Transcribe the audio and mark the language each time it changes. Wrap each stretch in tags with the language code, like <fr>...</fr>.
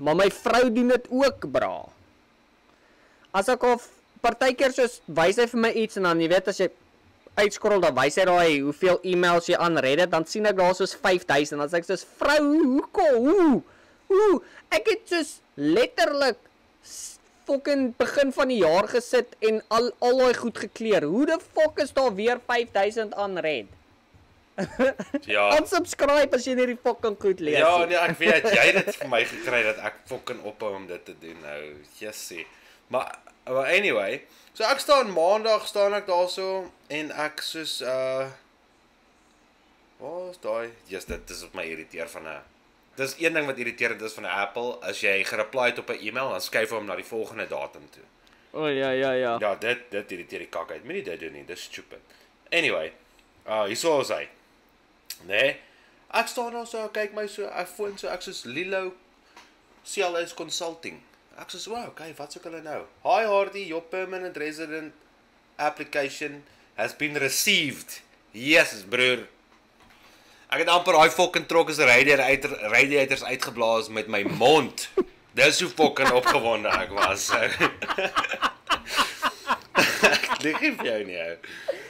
<af>Maar my vrou doen het ook, bra. As ek al partykeer soos, wys hy vir my iets, en dan jy weet, as jy uitskrol, dan wys hy daai hoeveel e-mails jy unread het, dan sien ek daar soos 5,000. As ek soos, vrou, hoe, ek het soos letterlik fucking begin van die jaar gesit en al hy goed gekleer. Hoe</af> <en>the fuck</en> <af>is daar weer 5,000 aan red? Ja. Unsubscribe as jy nie die fucking goed lees. Ja, nee, ek weet, jy het vir my gekry dat ek fucking ophou om dit te doen nou. Jesse. Maar anyway, so ek staan Maandag, staan ek daar so, en ek soos, waar is daai? Yes, dit is op my irriteer van haar. Dis een ding wat irriterend is van Apple, as jy gereply het op 'n e-mail, dan skuif hom na die volgende datum toe. O, oh, ja. Ja, dit irriteer die kak uit. Moet nie dit doen nie, dis stupid. Anyway, hier so is hy. Nee, ek staan al so, kyk my so, ek phone so, ek soos Lilo CLS Consulting. Ek soos, wow, okay, wat soek hulle nou?</af> <en>Hi Hardy, your permanent resident application has been received.</en> <af>Yes, broer. Ek het amper hy fucking trok as radiators uitgeblaas met my mond. Dis hoe fucking opgewonde ek was. Ek lieg nie vir jou nie, ou.</af>